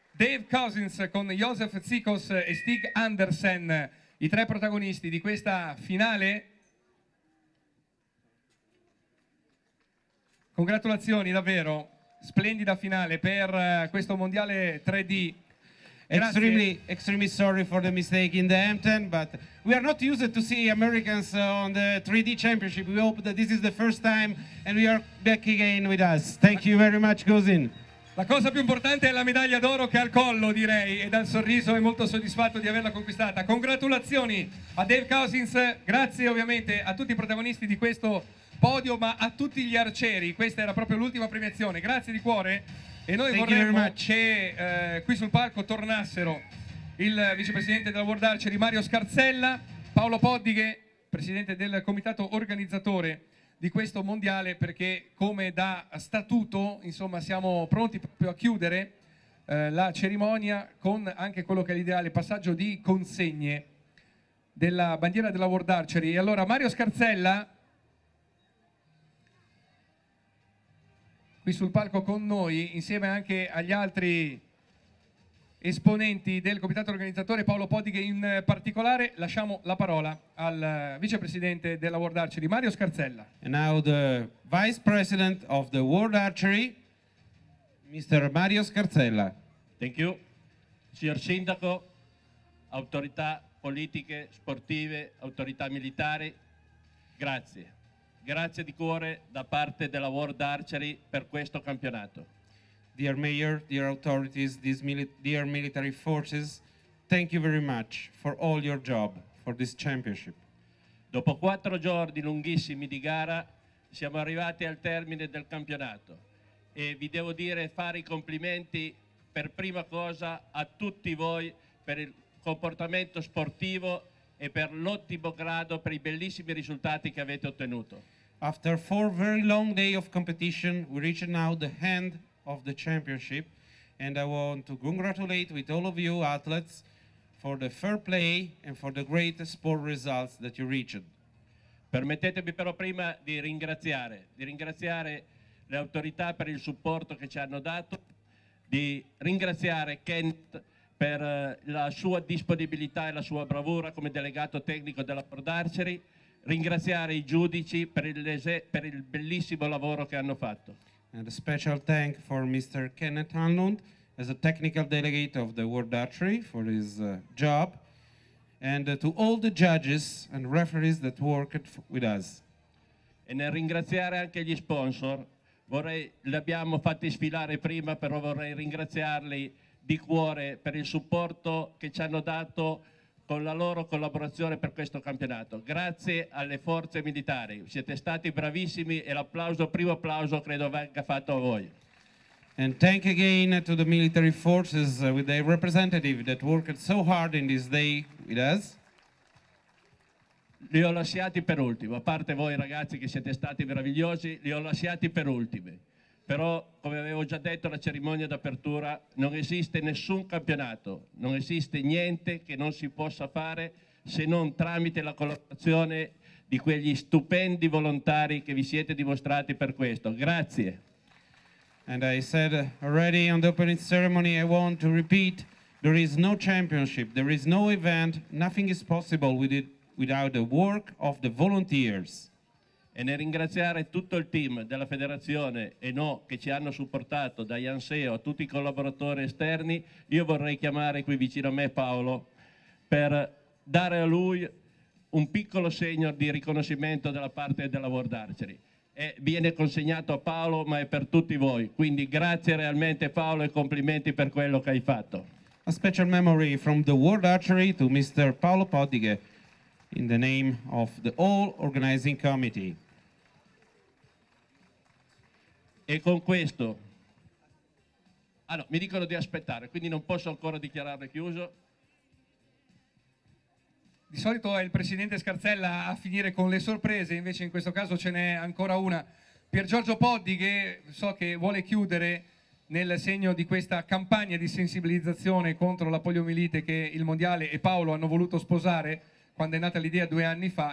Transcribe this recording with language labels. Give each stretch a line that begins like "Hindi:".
Italian: Dave Cousins con Josef Tsikos e Stig Andersen, i tre protagonisti di questa finale. Congratulazioni davvero, splendida finale per questo mondiale 3D. Grazie.
English: Extremely sorry for the mistake in the Hampton, but we are not used to see Americans on the 3D championship. We hope that this is the first time and we are back again with us. Thank you very much, Cousin.
Italian: La cosa più importante è la medaglia d'oro che ha al collo, direi, e dal sorriso è molto soddisfatto di averla conquistata. Congratulazioni a Dave Cousins, grazie ovviamente a tutti i protagonisti di questo podio, ma a tutti gli arcieri. Questa era proprio l'ultima premiazione, grazie di cuore. E noi vorremmo che qui sul palco tornassero il vicepresidente della World Archery, Mario Scarzella, Paolo Poddighe, presidente del comitato organizzatore di questo mondiale, perché come da statuto, insomma, siamo pronti proprio a chiudere la cerimonia con anche quello che è l'ideale passaggio di consegne della bandiera della World Archery. E allora Mario Scarzella qui sul palco con noi, insieme anche agli altri esponenti del comitato organizzatore, Paolo Poddighe in particolare, lasciamo la parola al vicepresidente della World Archery, Mario Scarzella.
English: And now the vice president of the World Archery, Mr. Mario Scarzella. Thank you.
Italian: Signor sindaco, autorità politiche, sportive, autorità militari, grazie. Grazie di cuore da parte della World Archery per questo campionato.
English: Dear Mayor, dear authorities, dear military forces, thank you very much for all your job for this championship.
Italian: Dopo quattro giorni lunghissimi di gara siamo arrivati al termine del campionato e vi devo dire fare i complimenti per prima cosa a tutti voi per il comportamento sportivo e per l'ottimo grado per i bellissimi risultati che avete ottenuto.
English: After four very long days of competition, we reach now the end of the championship, and I want to congratulate with all of you athletes for the fair play and for the great sport results that you reached.
Italian: Permettetemi però prima di ringraziare le autorità per il supporto che ci hanno dato, di ringraziare Kent per la sua disponibilità e la sua bravura come delegato tecnico della World Archery, ringraziare i giudici per il bellissimo lavoro che hanno fatto.
English: And a special thank for Mr. Kenneth Hanlund as a technical delegate of the World Archery for his job, and to all the judges and referees that worked with us.
Italian: E nel ringraziare anche gli sponsor, li abbiamo fatti sfilare prima, però vorrei ringraziarli di cuore per il supporto che ci hanno dato con la loro collaborazione per questo campionato. Grazie alle forze militari, siete stati bravissimi e l'applauso, primo applauso, credo venga fatto a voi.
English: And thank again to the military forces with their representative that worked so hard in this day with us.
Italian: Li ho lasciati per ultimo, a parte voi ragazzi che siete stati meravigliosi, li ho lasciati per ultimi. Però, come avevo già detto alla cerimonia d'apertura, non esiste nessun campionato, non esiste niente che non si possa fare se non tramite la collaborazione di quegli stupendi volontari che vi siete dimostrati per questo. Grazie.
English: And I said already on the opening ceremony, I want to repeat, there is no championship, there is no event, nothing is possible without the work of the volunteers.
Italian: E nel ringraziare tutto il team della federazione e no che ci hanno supportato, da Ianseo a tutti i collaboratori esterni, io vorrei chiamare qui vicino a me Paolo per dare a lui un piccolo segno di riconoscimento della parte della World Archery. E viene consegnato a Paolo, ma è per tutti voi, quindi grazie realmente Paolo e complimenti per quello che hai fatto.
English: A special memory from the World Archery to Mr. Paolo Poddighe. In the name of the whole organizing committee.
Italian: E con questo, mi dicono di aspettare, quindi non posso ancora dichiararlo chiuso. Di solito è il presidente Scarzella a finire con le sorprese, invece in questo caso ce n'è ancora una. Pier Giorgio Poddighe, so che vuole chiudere nel segno di questa campagna di sensibilizzazione contro la poliomielite che il Mondiale e Paolo hanno voluto sposare quando è nata l'idea due anni fa.